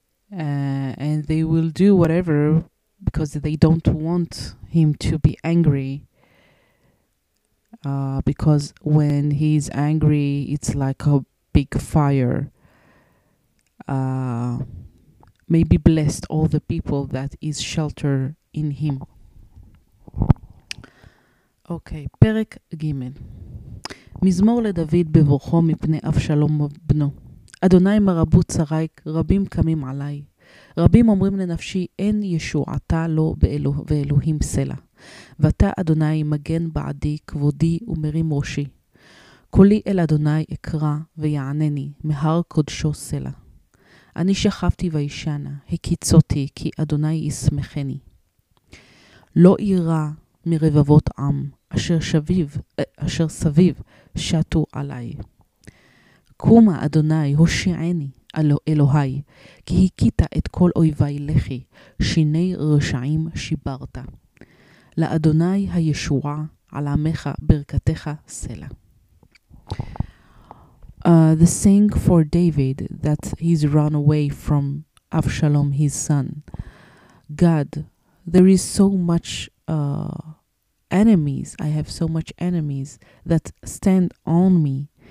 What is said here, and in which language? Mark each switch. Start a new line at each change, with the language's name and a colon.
English: and they will do whatever because they don't want him to be angry, because when he's angry it's like a big fire. Maybe blessed all the people that is shelter in him.
Hebrew: אוקיי, פרק ג. מזמור לדוד בבורחו מפני אבשלום בנו. אדוני מרבו צרי, רבים קמים עליי. רבים אומרים לנפשי, אין ישועתה לו ואלוהים סלע. ואתה, אדוני, מגן בעדי, כבודי ומרים ראשי. קולי אל אדוני אקרא ויענני, מהר קודשו סלע. אני שכבתי וישנה, הקיצותי, כי אדוני ישמחני. לא יירא מרבבות עם, אשר סביב שטו עליי. קומה אדוני, הושעני, אלוהי, כי הקיטע את כל אויבי לכי, שיני רשעים שיברת. לאדוני הישועה, על עמך ברכתך סלע.
English: The saying for David that he's run away from Avshalom, his son. God, there is so much enemies. I have so much enemies that stand on me.